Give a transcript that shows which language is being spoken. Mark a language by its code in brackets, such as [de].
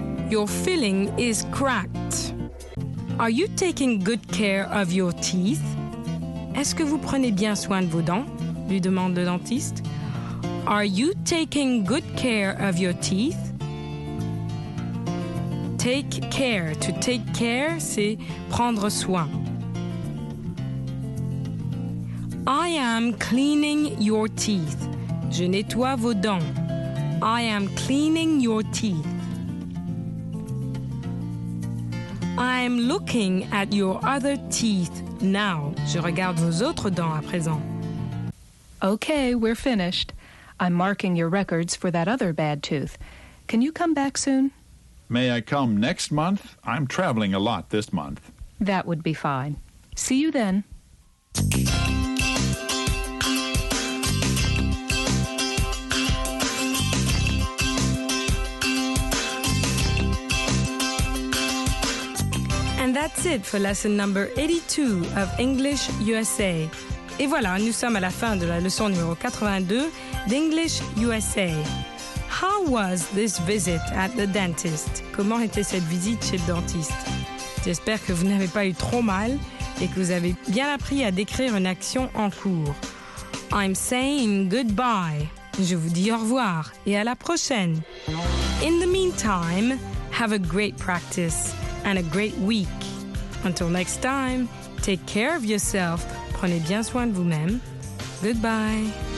[en] Your filling is cracked. Are you taking good care of your teeth? [fr] Est-ce que vous prenez bien soin de vos dents? Lui demande le dentiste. [en] Are you taking good care of your teeth? Take care. To take care, [fr] c'est prendre soin. [en] I am cleaning your teeth. [fr] Je nettoie vos dents. [en] I am cleaning your teeth. I am looking at your other teeth now. [fr] Je regarde vos autres dents à présent. [en] Okay, we're finished. I'm marking your records for that other bad tooth. Can you come back soon? May I come next month? I'm traveling a lot this month. That would be fine. See you then. And that's it for lesson number 82 of English USA. [fr] Et voilà, nous sommes à la fin de la leçon numéro 82 d'English USA. [en] How was this visit at the dentist? [fr] Comment était cette visite chez le dentiste? J'espère que vous n'avez pas eu trop mal et que vous avez bien appris à décrire une action en cours. [en] I'm saying goodbye. [fr] Je vous dis au revoir et à la prochaine. [en] In the meantime, have a great practice and a great week. Until next time, take care of yourself. [fr] Prenez bien soin de vous-même. [en] Goodbye.